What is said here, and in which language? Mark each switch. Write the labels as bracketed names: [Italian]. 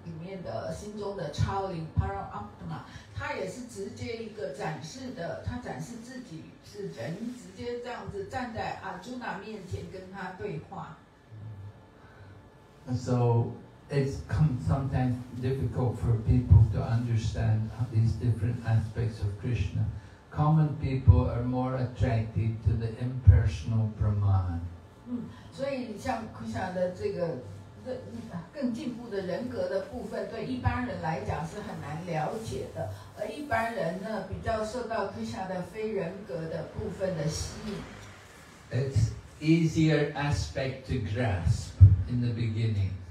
[Chinese] 他不只是生物里面的心中的超灵 Paramatma, 他也是直接一个展示的，他展示自己是人, 直接这样子站在 Arjuna 面前跟他对话。 [English] So it's sometimes difficult for people to understand these different aspects of Krishna. Common people are more attracted to the impersonal Brahman. So, like [Chinese] Krishna的这个更进步的人格的部分，对一般人来讲是很难了解的。而一般人呢，比较受到Krishna的非人格的部分的吸引。 [English] It's easier aspect to grasp in the beginning.